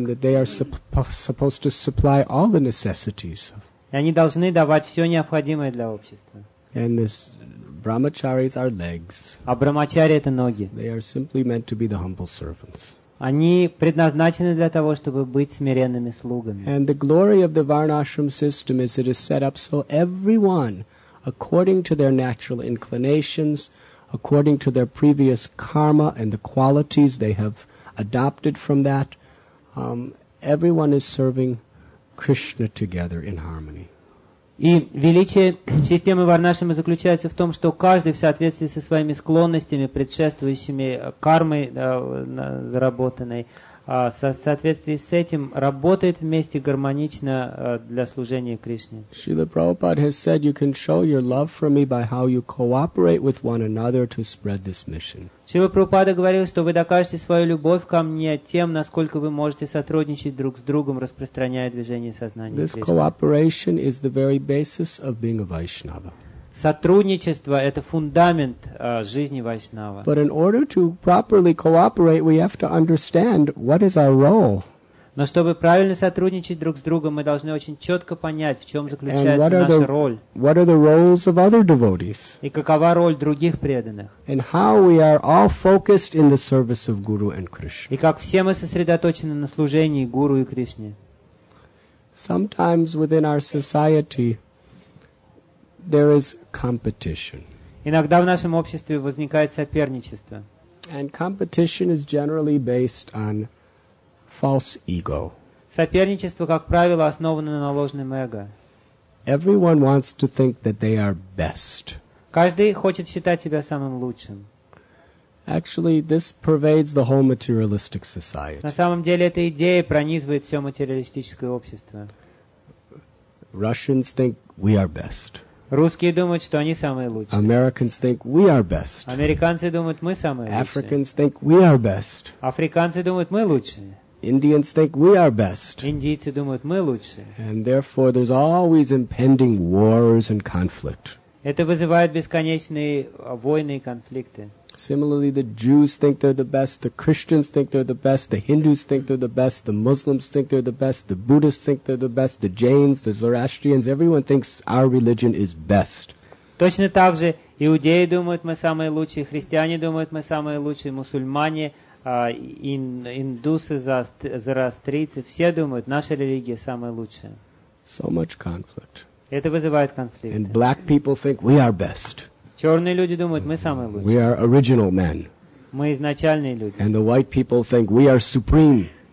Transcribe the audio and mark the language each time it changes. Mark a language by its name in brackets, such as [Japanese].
[English] And they are supposed to supply all the necessities. [Russian] И они должны давать все необходимое для общества. [English] And the brahmacharis are legs. [Russian] А брахмачари — это ноги. [English] They are simply meant to be the humble servants. [Russian] Они предназначены для того, чтобы быть смиренными слугами. [English] And the glory of the Varnashram system is it is set up so everyone, according to their natural inclinations, according to their previous karma and the qualities they have adopted from that, everyone is serving Krishna together in harmony. [Russian] И величие системы Варнашрама заключается в том, что каждый в соответствии со своими склонностями, предшествующими кармой заработанной, в соответствии с этим работает вместе гармонично для служения Кришне. [English] Шрила Прабхупада has said, you can show your love for me by how you cooperate with one another to spread this mission. [Russian] Шрила Прабхупада говорил, что вы докажете свою любовь ко мне тем, насколько вы можете сотрудничать друг с другом, распространяя движение сознания [English] Кришны. This cooperation is the very basis of being a Vaishnava. [Russian] Сотрудничество — это фундамент жизни вайшнава. [English] But in order to properly cooperate, we have to understand what is our role. [Russian] Но чтобы правильно сотрудничать друг с другом, мы должны очень четко понять, в чем заключается наша роль. [English] What are the roles of other devotees? [Russian] И какова роль других преданных? [English] And how we are all focused in the service of Guru and Krishna. [Russian] И как все мы сосредоточены на служении Гуру и Кришне. [English] Sometimes within our society, there is competition. [Russian] Иногда в нашем обществе возникает соперничество. [English] And competition is generally based on false ego. [Russian] Соперничество, как правило, основано на ложном эго. [English] Everyone wants to think that they are best. [Russian] Каждый хочет считать себя самым лучшим. [English] Actually, this pervades the whole materialistic society. [Russian] На самом деле, эта идея пронизывает все материалистическое общество. [English] Russians think we are best. [Russian] Русские думают, что они самые лучшие. [English] Americans think we are best. [Russian] Американцы думают, мы самые лучшие. [English] Africans think we are best. [Russian] Африканцы думают, мы лучшие. [English] Indians think we are best. [Russian] Индийцы думают, мы лучше. [English] And therefore there's always impending wars and conflict. [Russian] Это вызывает бесконечные войны и конфликты. [English] Similarly, the Jews think they're the best, the Christians think they're the best, the Hindus think they're the best, the Muslims think they're the best, the Buddhists think they're the best, the Jains, the Zoroastrians, everyone thinks our religion is best. [Russian] Точно так же иудеи думают, мы самые лучшие, христиане думают, мы самые лучшие, мусульмане, индусы, зороастрийцы, все думают, наша религия самая лучшая. [English] So much conflict. [Russian] Это вызывает конфликты. [English] And black people think we are best. [Russian] Черные люди думают, мы самые лучшие. [English] We are original men. [Russian] Мы изначальные люди. [English] And the white people think we are supreme.